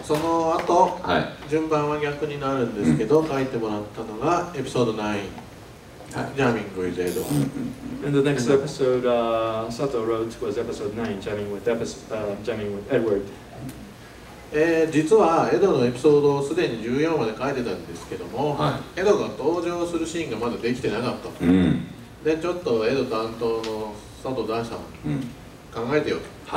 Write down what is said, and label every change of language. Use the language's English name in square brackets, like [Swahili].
[Japanese] その後、はい、順番は逆になるんですけど、書いてもらったのがエピソード9。 [English] Jamming with Edward. And the next episode Sato wrote was episode 9, Jamming with, Jamming with Edward. [Japanese] 実はエドのエピソードをすでに14まで書いてたんですけども、はい、エドが登場するシーンがまだできてなかったと、うん、でちょっとエド担当の佐藤大さん、うん、考えてよと、